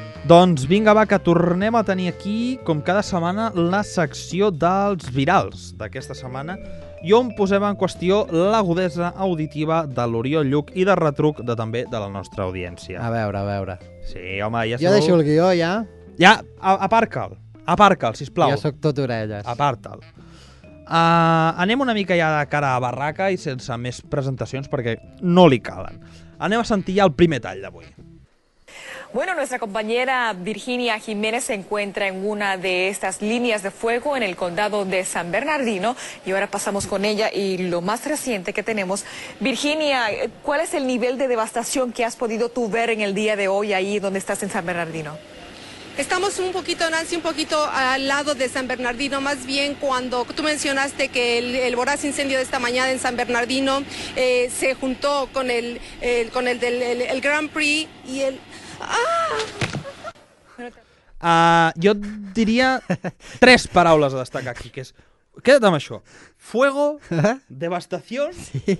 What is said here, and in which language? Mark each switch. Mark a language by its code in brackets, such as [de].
[ca] Doncs vinga, va, que tornem a tenir aquí, com cada setmana, la secció dels virals d'aquesta setmana, i on posem en qüestió l'agudesa auditiva de l'Oriol Lluc i de retruc de també de la nostra audiència. A veure. Sí, home, ja sou... Jo deixo el guió, ja. Ja, aparca'l, sisplau. Ja sóc tot orelles. Aparta'l. Anem una mica ja de cara a barraca i sense més presentacions perquè no li calen. Anem a sentir ja el primer tall d'avui. [es] Bueno, nuestra compañera Virginia Jiménez se encuentra en una de estas líneas de fuego en el condado de San Bernardino y ahora pasamos con ella y lo más reciente que tenemos. Virginia, ¿cuál es el nivel de devastación que has podido tú ver en el día de hoy ahí donde estás en San Bernardino? Estamos un poquito, Nancy, un poquito al lado de San Bernardino, más bien cuando tú mencionaste que el voraz incendio de esta mañana en San Bernardino se juntó con el Grand Prix y el... [ca] Jo et diria tres paraules a destacar aquí, que és, queda't amb això: fuego, devastació, sí.